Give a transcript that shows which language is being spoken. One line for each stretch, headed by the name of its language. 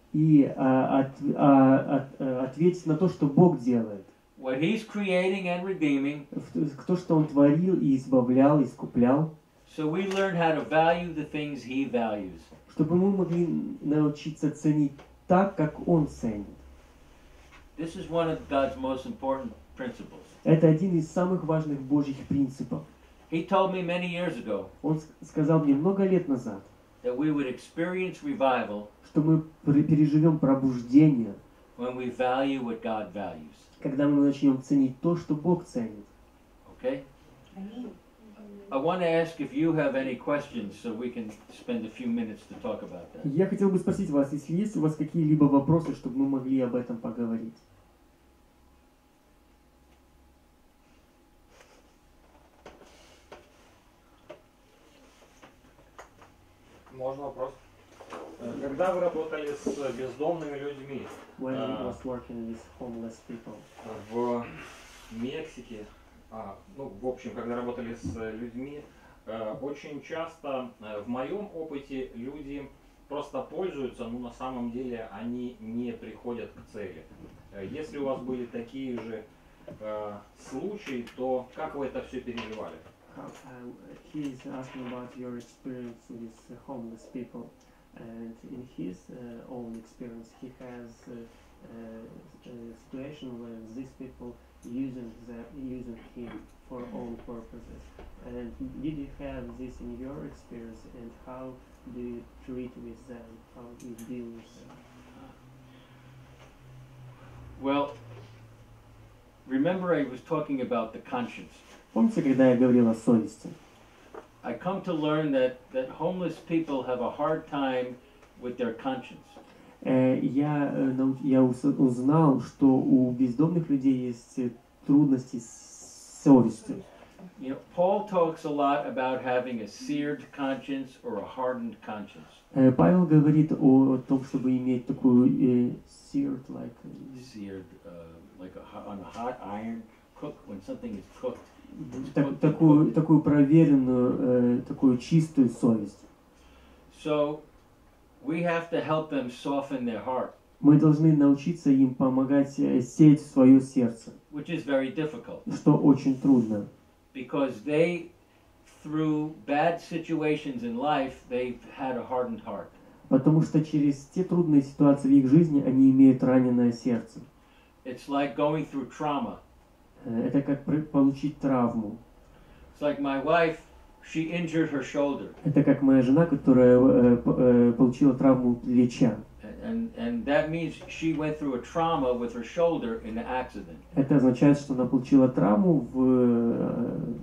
Russian: И ответить на то, что Бог делает.
English: What He's creating and redeeming.
Russian: То, что Он творил и избавлял, искуплял.
English: So we learn how to value the things He values.
Russian: Чтобы мы могли научиться ценить так, как Он ценит.
English: This is one of God's most important principles.
Russian: Это один из самых важных Божьих принципов.
English: He told me many years ago.
Russian: Он сказал мне много лет назад.
English: That we would experience revival.
Russian: Что мы переживем пробуждение.
English: When we value what God values.
Russian: Когда мы начнем ценить то, что Бог ценит.
English: Okay. I want to ask if you have any questions, so we can spend a few minutes to talk about that.
Russian: Я хотел бы спросить вас, если есть у вас какие-либо вопросы, чтобы мы могли об этом поговорить. Можно вопрос? Когда вы работали с бездомными людьми?
English: When you was working with homeless people?
Russian: В Мексике, в общем, когда работали с людьми, очень часто, в моем опыте, люди просто пользуются, но на самом деле они не приходят к цели. Если у вас были такие же случаи, то как вы это все переживали?
English: He is asking about your experience with homeless people, and in his own experience, he has a situation where these people using him for own purposes. And did you have this in your experience? And how do you treat with them? How do you deal with them? Well, remember, I was talking about the conscience.
Russian: Помните, когда я говорил о совести?
English: I come to learn that homeless people have a hard time with their conscience.
Russian: Я узнал, что у бездомных людей есть трудности с совестью.
English: You know, Paul talks a lot about having a seared conscience or a hardened conscience.
Russian: Павел говорит о том, чтобы иметь такую
English: seared, like seared, like on a hot iron, cooked when something is cooked.
Russian: Такую проверенную, такую чистую совесть.
English: So we have to help them soften their heart.
Russian: Мы должны научиться им помогать сеять свое сердце.
English: Which is very difficult.
Russian: Что очень трудно.
English: Because they through bad situations in life, they've had a hardened heart.
Russian: Потому что через те трудные ситуации в их жизни они имеют раненое сердце.
English: It's like going through trauma.
Russian: Это как получить травму.
English: It's like my wife, she injured her shoulder.
Russian: Это как моя жена, которая получила травму плеча.
English: And that means she went through a trauma with her shoulder in the accident.
Russian: Это означает, что она получила травму в